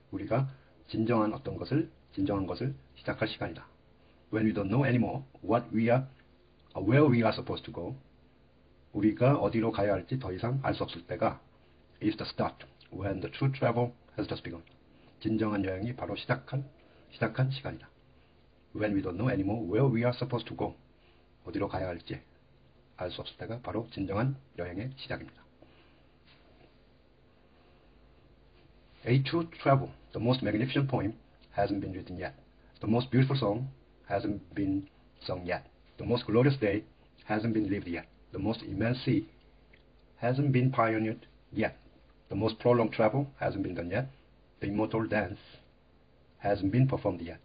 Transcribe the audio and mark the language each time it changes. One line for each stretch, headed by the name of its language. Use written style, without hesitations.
Korean: 우리가 진정한 어떤 것을, 진정한 것을 시작할 시간이다.
English: When we don't know anymore what we are, where we are supposed to go.
Korean: 우리가 어디로 가야 할지 더 이상 알 수 없을 때가
English: is the start when the true travel has just begun.
Korean: 진정한 여행이 바로 시작한 시간이다.
English: When we don't know anymore where we are supposed to go.
Korean: 어디로 가야 할지 알 수 없을 때가 바로 진정한 여행의 시작입니다.
English: A true travel, the most magnificent poem hasn't been written yet. The most beautiful song hasn't been sung yet. The most glorious day hasn't been lived yet. The most immense sea hasn't been pioneered yet. The most prolonged travel hasn't been done yet. The immortal dance hasn't been performed yet.